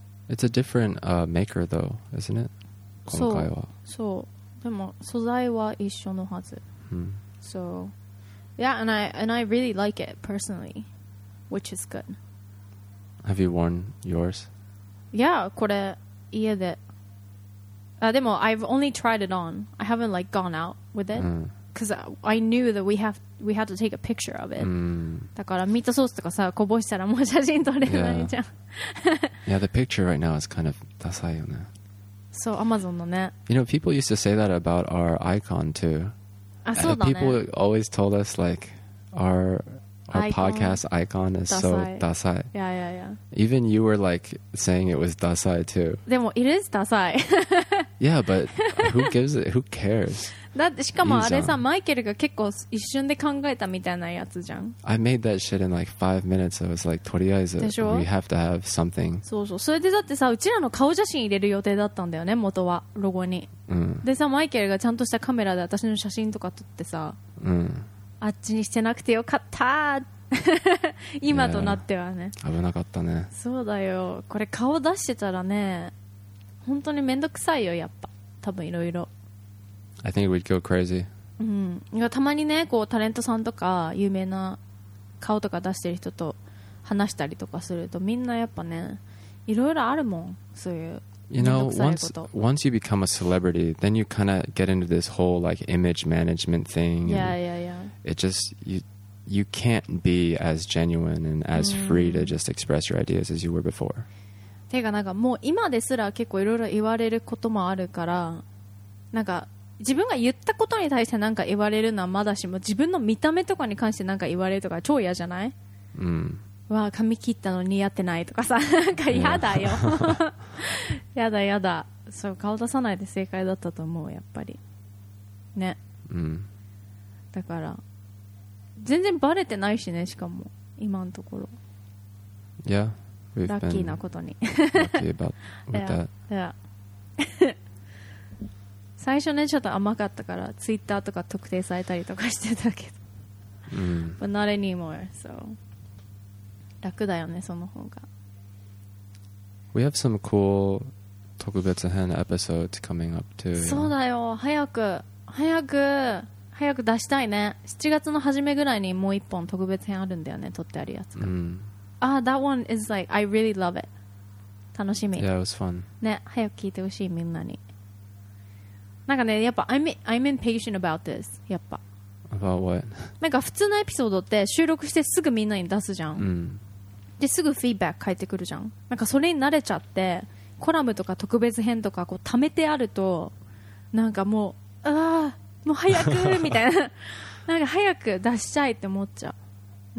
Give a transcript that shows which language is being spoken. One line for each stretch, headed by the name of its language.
English: It's a different maker though, isn't it?
Japanese: 今回は。そう。でも素材は一緒のはず。 Hmm.
English: So, yeah, and I really like it personally, which is good. Have you worn yours? Yeah,
Japanese: これ家で。でも
English: I've only tried it on. I haven't like gone out with it. Because I knew that we had to take a picture of it.
Japanese: だからミートソースとかさこぼしたらもう写真撮れないじゃん。
English: Yeah, the picture right now is kind of
Japanese: ダサいよね。そう、Amazon のね。
English: You know, people used to say that about our icon too.
Japanese: あ、そうだね。
English: People always told us like our podcast icon is so ダサい。 Yeah, yeah, yeah. Even you were like saying it was ダサい too.
Japanese: でも
English: it is ダサい。 Yeah, but who gives it? Who cares?
Japanese: だってしかもあれさ、マイケルが結構一瞬で考えたみたいなやつじゃん。
English: I made that shit in like 5 minutes. I was like,
Japanese: とりあえず
English: we have to have something.
Japanese: そうそう、それでだってさ、うちらの顔写真入れる予定だったんだよね、元はロゴに、うん、でさ、マイケルがちゃんとしたカメラで私の写真とか撮ってさ、うん、あっちにしてなくてよかった今となってはね、危なかったね。そうだよ、これ顔出してたらね本当にめんどくさいよ、やっぱ多分いろいろ、
English: I think we'd go crazy.
Japanese: うん、たまにね、こうタレントさんとか有名な顔とか出してる人と話したりとかすると、みんなやっぱね、いろいろあるもん、そういう。
English: You know, once you become a celebrity, then you kind of get into this whole like image management thing. Yeah, yeah, yeah. It just you can't be as genuine and as free to just express your ideas as you were before.
Japanese: てかなんかもう今ですら結構いろいろ言われることもあるから、なんか。自分が言ったことに対してなんか言われるのはまだしも、自分の見た目とかに関してなんか言われるとか超嫌じゃない？うん。わあ、髪切ったの似合ってないとかさ、なんか嫌だよ。嫌だ嫌だ。そう、顔出さないで正解だったと思う、やっぱり。ね、うん、だから全然バレてないしね、しかも今のところ、
English: yeah,
Japanese: ラッキーなことに
English: lucky about with yeah, that. Yeah.
Japanese: 最初ねちょっと甘かったからツイッターとか特定されたりとかしてたけど、 mm.
English: But not anymore, so
Japanese: 楽だよねその方が。
English: We have some cool 特別編 episodes coming up too.
Japanese: そうだよ、早く早く早く出したいね。 7月の初めぐらいにもう一本特別編あるんだよね、撮ってあるやつが。あ、mm.
English: That one is like I really love it.
Japanese: 楽しみ。
English: Yeah, it was fun.
Japanese: ね、早く聞いてほしいみんなに。なんかね、やっぱ
English: I'm impatient about this.
Japanese: やっぱ
English: About what?
Japanese: なんか普通のエピソードって収録してすぐみんなに出すじゃん、 mm. ですぐフィードバック返ってくるじゃん。なんかそれに慣れちゃってコラムとか特別編とかこう溜めてあるとなんかもうああもう早くみたいななんか早く出しちゃいって思っちゃう。